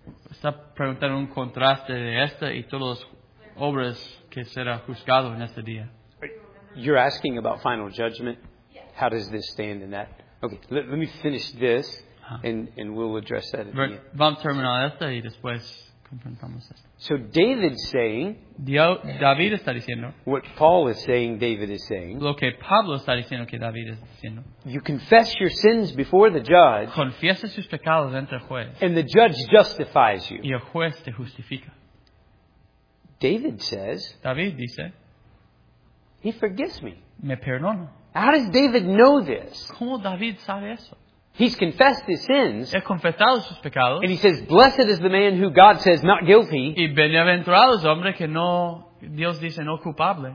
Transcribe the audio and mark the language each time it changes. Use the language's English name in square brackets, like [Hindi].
[Spanish] Está preguntando un contraste de esta y todas las obras que será juzgado en este día. [English] You're asking about final judgment. How does this stand in that? Okay, let me finish this and we'll address that. [Spanish] Vamos a terminar esta y después confrontamos esta. [English] So David's saying. [Spanish] David está diciendo. [English] What Paul is saying, David is saying. [Spanish] Lo que Pablo está diciendo que David está diciendo. [English] You confess your sins before the judge. [Spanish] Confiesas sus pecados ante el juez. [English] And the judge justifies you. [Spanish] Y el juez te justifica. [English] David says. [Spanish] David dice. [English] He forgives me. [Spanish] Me perdona. [English] How does David know this? [Spanish] ¿Cómo David sabe eso? [English] He's confessed his sins. [Spanish] He confesado sus pecados. [English] And he says, blessed is the man who God says not guilty. [Spanish] Y bienaventurado es el hombre que no, Dios dice no culpable.